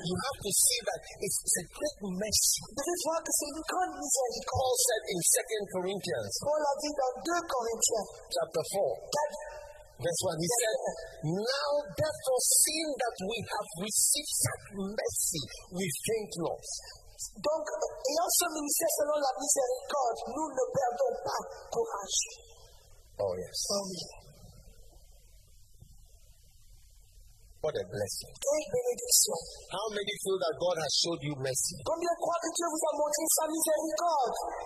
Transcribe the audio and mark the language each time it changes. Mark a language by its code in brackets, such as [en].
[en] You have to see that it's a great mercy. [fr] Vous devez voir que c'est une grande miséricorde. [en] Paul said in 2 Corinthians. [fr] Paul a dit dans 2 Corinthiens. [en] Chapter 4. Verse 1. He said, now therefore seeing that we have received such mercy, we faint not. [fr] Donc, ayant ce ministère selon la miséricorde, nous ne perdons pas courage. [en] Oh yes. [fr] Oh oui. [en] What a blessing. [fr] Quelle bénédiction. [en] How many feel that God has showed you mercy? [fr] Combien croient que Dieu vous a montré sa miséricorde?